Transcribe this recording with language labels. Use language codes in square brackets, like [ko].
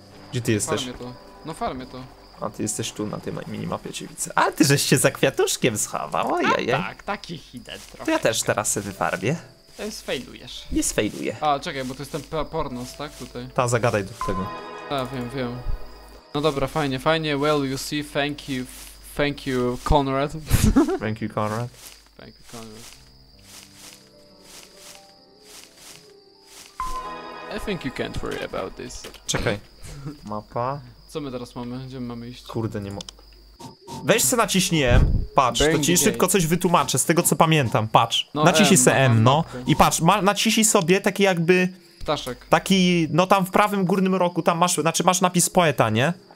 [pl] Gdzie ty no jesteś? Farmie to. No farmie to. A ty jesteś tu na tej minimapie, cię widzę. A ty żeś się za kwiatuszkiem schował, ojejej. Tak, taki hidden trochę. To ja też teraz sobie wyfarbię. Sfejlujesz. Nie sfejluję. A, czekaj, bo to jest ten pornos, tak, tutaj? Ta, zagadaj do tego. A, wiem. No dobra, fajnie. [en] Well, you see, thank you, Conrad. Thank you, Conrad. I think you can't worry about this. [pl] Czekaj. Mapa. Co my teraz mamy? Gdzie my mamy iść? Kurde, nie ma... Weź se naciśniłem, patrz, to ci szybko coś wytłumaczę, z tego co pamiętam, patrz. No naciśnij se M, no. I patrz, naciśnij sobie taki jakby... Ptaszek. Taki, no tam w prawym górnym rogu, tam masz, znaczy masz napis poeta, nie?